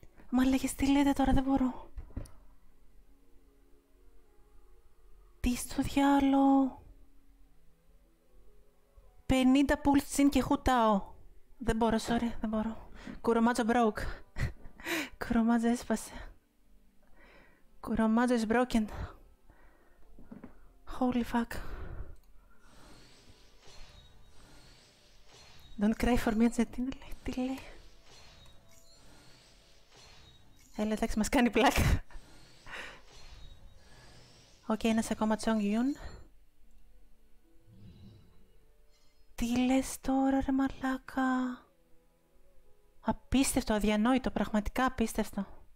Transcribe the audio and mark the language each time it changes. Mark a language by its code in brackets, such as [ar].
[el] Μαλάκες, τι λέτε τώρα, δεν μπορώ. Τι στο διάλο! 50 pulls τσιν και χουτάω. Δεν μπορώ, sorry, δεν μπορώ. Κουρομάτζο broke. Κουρομάτζο έσπασε. [en] Κουρομάτζο is broken. Holy fuck. Don't cry for me, Τζετίνα. [el] Τι λέει. Έλα, εντάξει, μας κάνει πλάκα. Οκ, okay, ένας ακόμα Τσόγκ Ιουν. Τι λες τώρα, ρε μαλάκα. Απίστευτο, αδιανόητο, πραγματικά απίστευτο.